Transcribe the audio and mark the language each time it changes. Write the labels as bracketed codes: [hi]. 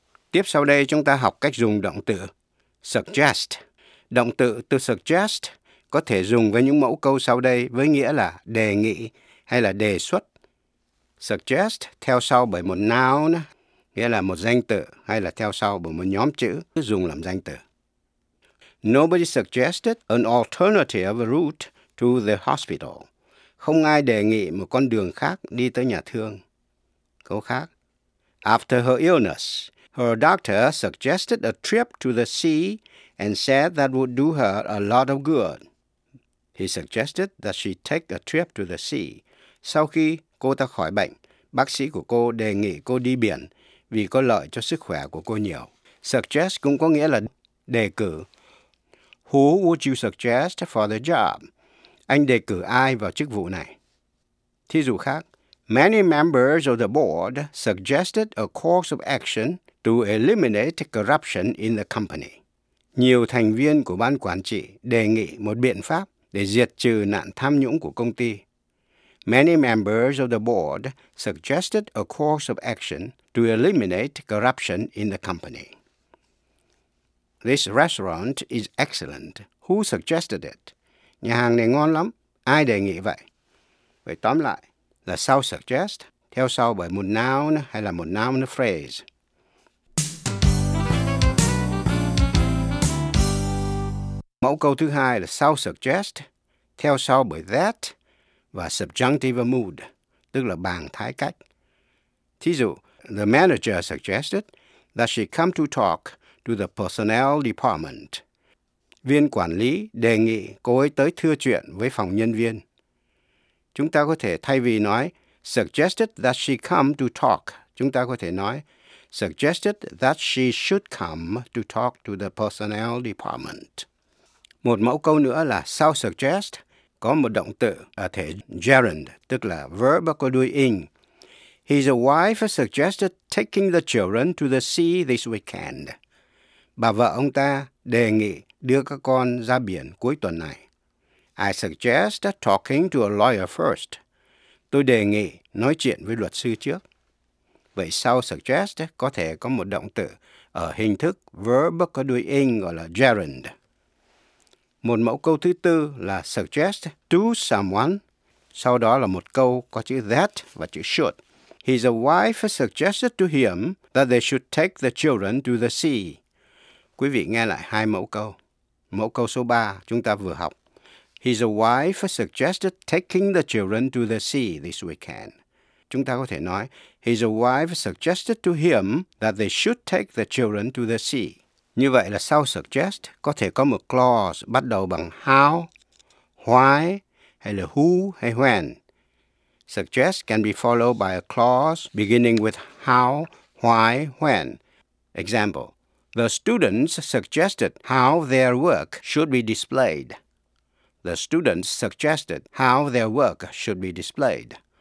[vi] Tiếp sau đây chúng ta học cách dùng động từ suggest. Động từ to suggest có thể dùng với những mẫu câu sau đây với nghĩa là đề nghị hay là đề xuất. Suggest theo sau bởi một noun nghĩa là một danh từ hay là theo sau bởi một nhóm chữ dùng làm danh từ. [en] Nobody suggested an alternative route to the hospital. [vi] Không ai đề nghị một con đường khác đi tới nhà thương. Câu khác. [en] After her illness, her doctor suggested a trip to the sea and said that would do her a lot of good. He suggested that she take a trip to the sea. [vi] Sau khi cô ta khỏi bệnh, bác sĩ của cô đề nghị cô đi biển vì có lợi cho sức khỏe của cô nhiều. Suggest cũng có nghĩa là đề cử. [en] Who would you suggest for the job? [vi] Anh đề cử ai vào chức vụ này? Thí dụ khác. [en] Many members of the board suggested a course of action to eliminate corruption in the company. [vi] Nhiều thành viên của ban quản trị đề nghị một biện pháp để diệt trừ nạn tham nhũng của công ty. [en] Many members of the board suggested a course of action to eliminate corruption in the company. This restaurant is excellent. Who suggested it? [vi] Nhà hàng này ngon lắm. Ai đề nghị vậy? Vậy tóm lại. Là sau suggest, theo sau bởi một noun hay là một noun phrase. Mẫu câu thứ hai là sau suggest, theo sau bởi that và subjunctive mood, tức là bằng thái cách. Thí dụ, [en] the manager suggested that she come to talk to the personnel department. [vi] Viên quản lý đề nghị cô ấy tới thưa chuyện với phòng nhân viên. Chúng ta có thể thay vì nói [en] suggested that she come to talk, [vi] chúng ta có thể nói [en] suggested that she should come to talk to the personnel department. [vi] Một mẫu câu nữa là sau suggest có một động từ ở thể gerund, tức là verb có đuôi ing. [en] His wife suggested taking the children to the sea this weekend. [vi] Bà vợ ông ta đề nghị đưa các con ra biển cuối tuần này. [en] I suggest talking to a lawyer first. [vi] Tôi đề nghị nói chuyện với luật sư trước. Vậy sau suggest có thể có một động từ ở hình thức verb có đuôi ing gọi là gerund. Một mẫu câu thứ tư là suggest to someone. Sau đó là một câu có chữ that và chữ should. [en] His wife suggested to him that they should take the children to the sea. [vi] Quý vị nghe lại hai mẫu câu. Mẫu câu số 3 chúng ta vừa học. [en] His wife suggested taking the children to the sea this weekend. [vi] Chúng ta có thể nói, [en] his wife suggested to him that they should take the children to the sea. [vi] Như vậy là sau suggest có thể có một clause bắt đầu bằng how, why, hay là who, hay when. [en] Suggest can be followed by a clause beginning with how, why, when. Example, the students suggested how their work should be displayed. The students suggested how their work should be displayed.